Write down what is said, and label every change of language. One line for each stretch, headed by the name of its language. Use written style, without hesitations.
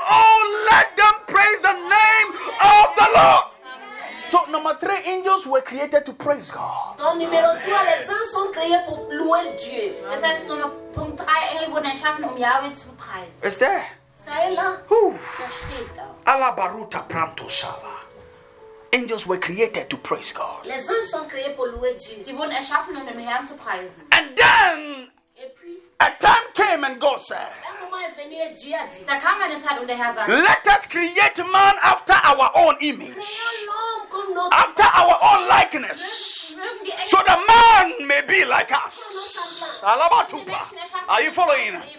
English: Oh, let them praise the name of the Lord. So number 3, angels were created to praise God.
French: Donc numéro 3, les anges sont créés pour louer Dieu.
German: Das heißt, Nummer Punkt 3, Engel wurden erschaffen, um Yahweh zu preisen. Ist der? Sei la. Alla baruta pranto shava.
English: Angels were created to praise God.
French: Les anges sont créés pour louer Dieu.
German: Sie wurden erschaffen, um dem Herrn zu preisen.
English: And then a time came and God said, let us create man after our own image, after our own likeness, so the man may be like us. Are you following?